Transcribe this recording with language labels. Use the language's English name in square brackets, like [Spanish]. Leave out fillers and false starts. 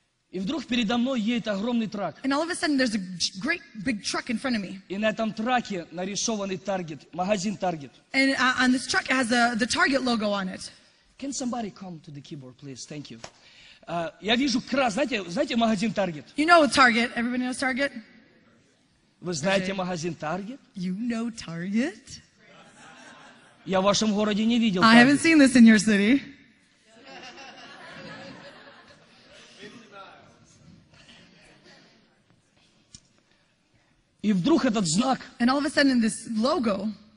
[Russian] И вдруг передо мной едет огромный трак. [English] And all of a sudden there's a great big truck in front of me. [Russian] И на этом траке нарисованный Target, магазин Target. [English] And on this truck it has the Target logo on it. Can somebody come to the keyboard, please? Thank you. [Russian] Я вижу крас, знаете магазин Target? [English] You know Target. Everybody knows Target? [Russian] Вы знаете магазин Target? [English] You know Target? [Russian] Я в вашем городе не видел [English] Target. I haven't seen this in your city. [Russian] И вдруг этот знак, [English] and all of a sudden this logo,